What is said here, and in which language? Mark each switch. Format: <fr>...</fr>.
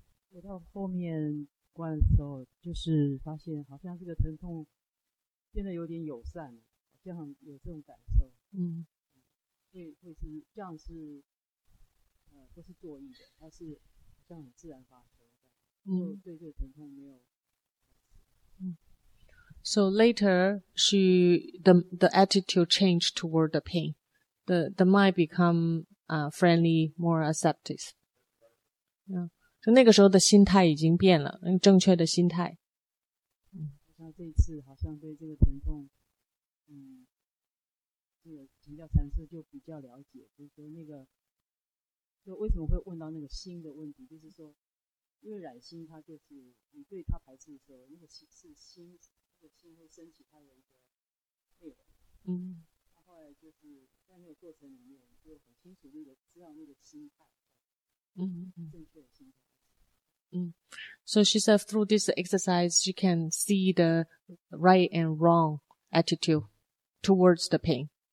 <zh>我到后面观的时候，就是发现好像这个疼痛变得有点友善，好像有这种感受。嗯，会是这样，是不是作意的，它是好像很自然发生的。嗯，对这个疼痛没有。</zh> <en>So later, the attitude changed toward the pain. The mind become, friendly, more acceptive. Yeah.</en> <zh>So 那个时候的心态已经变了，正确的心态。嗯，像这一次好像对这个疼痛，这个请教禅师就比较了解，就是说那个，就为什么会问到那个心的问题，就是说，因为染心它就是你对它排斥的时候，那个心是心。心会升起它的一个内容，嗯，后来就是在那个过程里面，就很清楚那个知道那个心态，正确的心态。</zh> <en>So she said through this exercise, she can see the right and wrong attitude towards the pain.</en>